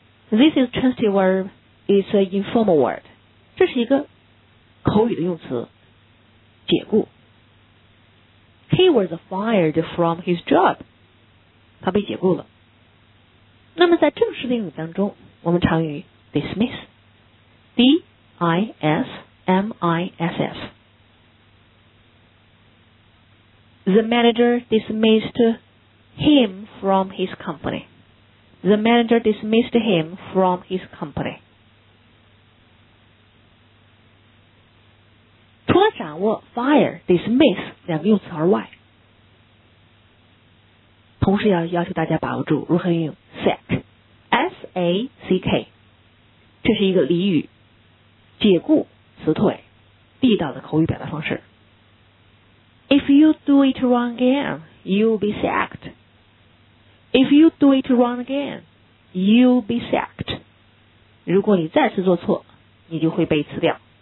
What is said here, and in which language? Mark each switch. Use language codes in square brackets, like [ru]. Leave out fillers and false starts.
[en] This is trusty word, it's an informal word. [zh] 这是一个口语的用词，解雇。 [en] He was fired from his job. [zh] 他被解雇了。那么在正式的英语当中，我们常用 dismiss. D-I-S-M-I-S-S. [en] The manager dismissed him from his company. The manager dismissed him from his company. [zh] 除了掌握 fire, dismiss 两个用词而外，同时要要求大家把握住如何用 sack, S-A-C-K, 这是一个俚语，解雇、辞退，地道的口语表达方式。 [en] If you do it wrong again, you'll be sacked. If you do it wrong again, you'll be sacked. [zh] 如果你再次做错，你就会被辞掉。